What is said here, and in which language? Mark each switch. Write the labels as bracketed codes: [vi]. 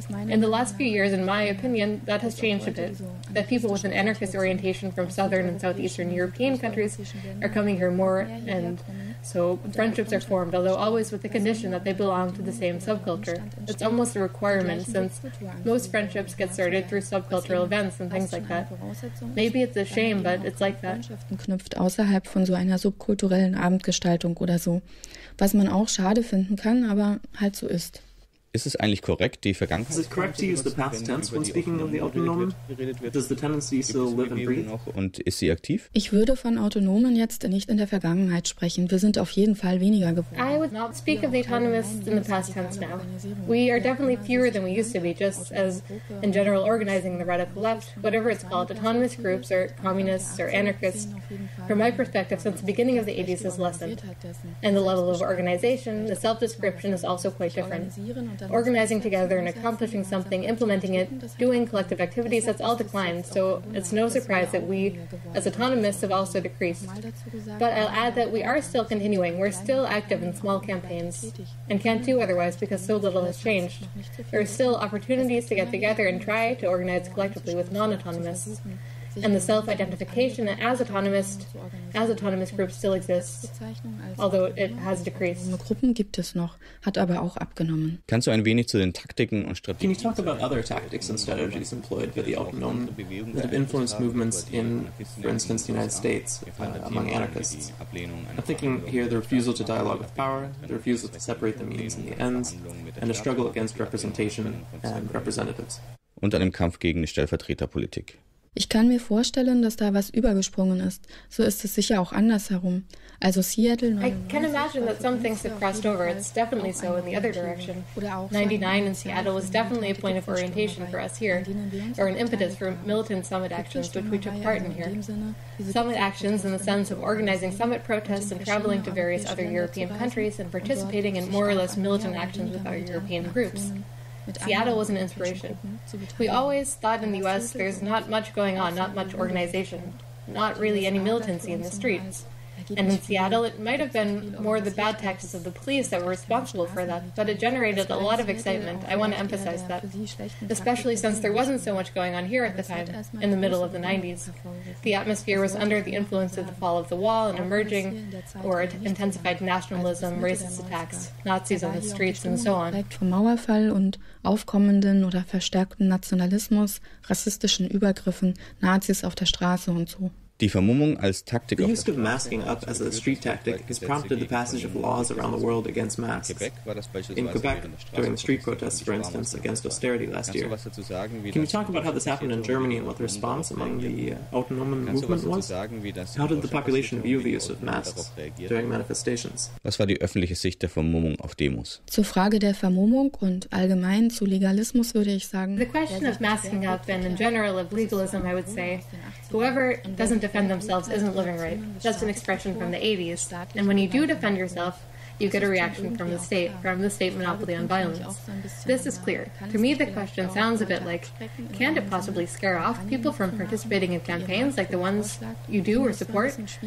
[en] In the last few years, in my opinion, that has changed a bit, that people with an anarchist orientation from southern and southeastern European countries are coming here more, and so friendships are formed, although always with the condition that they belong to the same subculture. It's almost a requirement, since most friendships get started through subcultural events and things like that. Maybe it's a shame, but it's like that. [de] Knüpft außerhalb von so einer subkulturellen Abendgestaltung oder so. Was man auch schade finden kann, aber halt so ist. Ist es eigentlich korrekt, die Vergangenheit? [en] Is it correct to use the past tense when speaking of the autonomen? Does the tendency still live and breathe? [de] Und ist sie aktiv? Ich würde von Autonomen jetzt nicht in der Vergangenheit sprechen. Wir sind auf jeden Fall weniger geworden. [en] I would not speak of the autonomists in the past tense now. We are definitely fewer than we used to be, just as in general organizing the radical left, whatever it's called, autonomous groups or communists or anarchists. From my perspective, since the beginning of the 80s has lessened. And the level of organization, the self-description is also quite different. Organizing together and accomplishing something, implementing it, doing collective activities, that's all declined. So it's no surprise that we, as autonomists, have also decreased. But I'll add that we are still continuing. We're still active in small campaigns and can't do otherwise because so little has changed. There are still opportunities to get together and try to organize collectively with non-autonomists. And the self-identification as autonomous groups still exists, although it has decreased. [de] Gruppen gibt es noch, hat aber auch abgenommen. Kannst du ein wenig zu den Taktiken und Strategien? [en] Can you talk about other tactics and strategies employed by the autonomen that have influenced movements in, for instance, the United States among anarchists? I'm thinking here the refusal to dialogue with power, the refusal to separate the means and the ends, and a struggle against representation and representatives. [de] Und einem Kampf gegen die Stellvertreterpolitik. Ich kann mir vorstellen, dass da was übergesprungen ist. So ist es sicher auch andersherum. Also Seattle... 99, [en] I can imagine that some things have crossed over. It's definitely so in the other direction. 99 in Seattle was definitely a point of orientation for us here, or an impetus for militant summit actions, which we took part in here. Summit actions in the sense of organizing summit protests and traveling to various other European countries and participating in more or less militant actions with other European groups. Seattle was an inspiration. We always thought in the U.S. there's not much going on, not much organization, not really any militancy in the streets. And in Seattle, it might have been more the bad tactics of the police that were responsible for that, but it generated a lot of excitement. I want to emphasize that, especially since there wasn't so much going on here at the time, in the middle of the 90s. The atmosphere was under the influence of the fall of the wall and emerging or intensified nationalism, racist attacks, Nazis on the streets, and so on. [de] Vom Mauerfall und aufkommenden oder verstärkten Nationalismus, rassistischen Übergriffen, Nazis auf der Straße und so. Die Vermummung als Taktik [en] the use of masking up as a street tactic has prompted the passage of laws around the world against masks. In Quebec, during the street protests, for instance, against austerity last year. Can you talk about how this happened in Germany and what the response among the Autonomen movement was? How did the population view the use of masks during manifestations? [de] Was war die öffentliche Sicht der Vermummung auf Demos? Zur Frage der Vermummung und allgemein zu Legalismus würde ich sagen... [en] The question of masking up and in general of legalism, I would say... Whoever doesn't defend themselves isn't living right. That's an expression from the 80s. And when you do defend yourself, you get a reaction from the state monopoly on violence. This is clear. To me, the question sounds a bit like, can't it possibly scare off people from participating in campaigns like the ones you do or support?